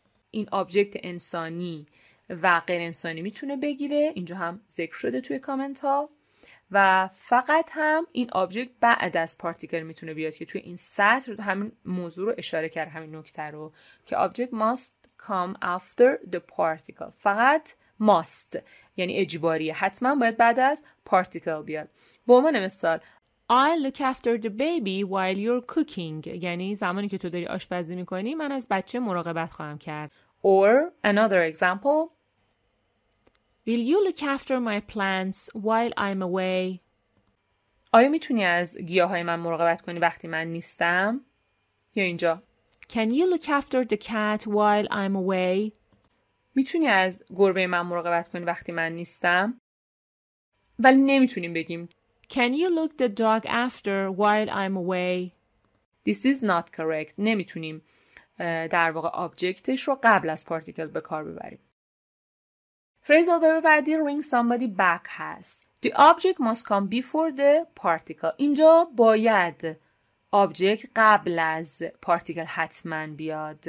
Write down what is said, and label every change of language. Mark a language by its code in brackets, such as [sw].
[fa] این object انسانی و غیر انسانی میتونه بگیره، اینجا هم ذکر شده توی کامنت ها، و فقط هم این object بعد از پارتیکل میتونه بیاد که توی این سطر همین موضوع رو اشاره کرد، همین نکته رو که [en] object must come after the particle، [fa] فقط must یعنی اجباریه، حتما باید بعد از particle بیاد. به عنوان مثال [en] I look after the baby while you're cooking، [fa] یعنی زمانی که تو داری آشپزی میکنی من از بچه مراقبت خواهم کرد. [en] Or another example، Will you look after my plants while I'm away؟ [fa] آیا میتونی از گیاهای من مراقبت کنی وقتی من نیستم؟ یا اینجا [en] Can you look after the cat while I'm away؟ [fa] میتونی از گربه من مراقبت کنی وقتی من نیستم؟ ولی نمیتونیم بگیم [en] Can you look the dog after while I'm away؟ This is not correct. [fa] نمیتونیم در واقع آبجکتش رو قبل از پارتیکل به کار ببریم. [en] phrasal verb [fa] بعدی [en] ring somebody back [fa] هست. [en] The object must come before the particle. [fa] اینجا باید object قبل از particle حتما بیاد.